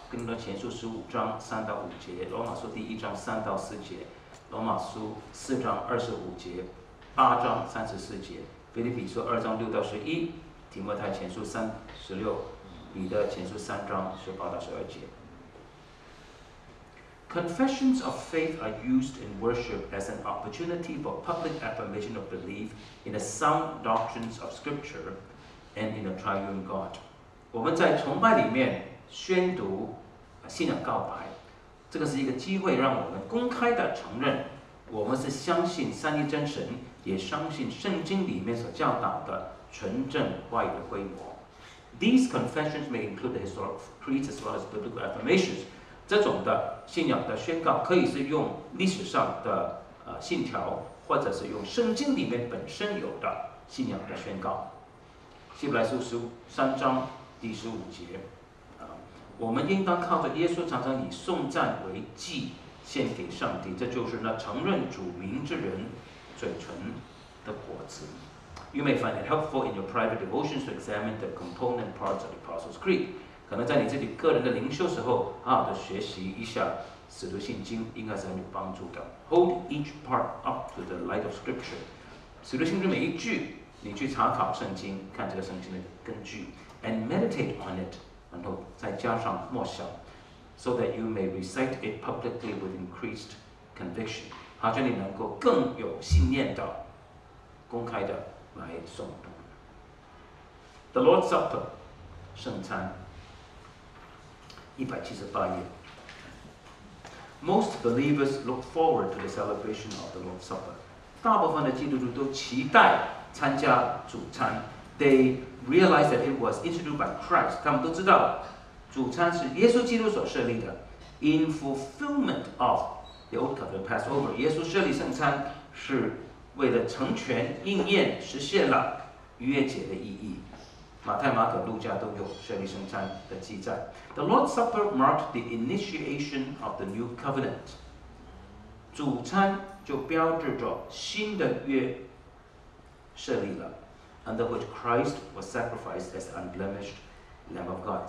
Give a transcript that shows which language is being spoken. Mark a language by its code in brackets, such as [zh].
[zh] 哥林多前书十五章三到五节，罗马书第一章三到四节，罗马书四章二十五节，八章三十四节，腓立比书二章六到十一，提摩太前书三十六，彼得前书三章十八到十二节。 [en] Confessions of faith are used in worship as an opportunity for public affirmation of belief in the sound doctrines of Scripture and in the triune God. [zh] 我们在崇拜里面宣读信仰告白，这个是一个机会让我们公开的承认我们是相信三一真神，也相信圣经里面所教导的纯正话语的规模。 [en] These confessions may include the historic creeds as well as biblical affirmations. [zh] 这种的信仰的宣告可以是用历史上的信条，或者是用圣经里面本身有的信仰的宣告。希伯来书十三章第十五节，我们应当靠着耶稣常常以颂赞为祭献给上帝，这就是那承认主名之人嘴唇的果子。 [en] You may find it helpful in your private devotions to examine the component parts of the Apostles' Creed. [zh] 可能在你自己个人的灵修时候，好好的学习一下《使徒信经》，应该是很有帮助的。 [en] Hold each part up to the light of Scripture， [zh] 《使徒信经》每一句，你去查考圣经，看这个圣经的根据 ， [en] and meditate on it， [zh] 然后再加上默想 ， [en] so that you may recite it publicly with increased conviction， [zh] 好叫你能够更有信念的公开的来诵读。 [en] The Lord's Supper， [zh] 圣餐。 [en] 178页。 Most believers look forward to the celebration of the Lord's Supper. [zh] 大部分的基督徒都期待参加主餐。 [en] They realize that it was instituted by Christ. [zh] 他们都知道主餐是耶稣基督所设立的。 [en] In fulfillment of the Old Covenant Passover, [zh] 耶稣设立圣餐是为了成全、应验、实现了逾越节的意义。马太、马可、路加都有设立圣餐的记载。 [en] The Lord's Supper marked the initiation of the new covenant. [zh] 主餐就标志着新的约设立了 [en] ，under which Christ was sacrificed as the unblemished Lamb of God.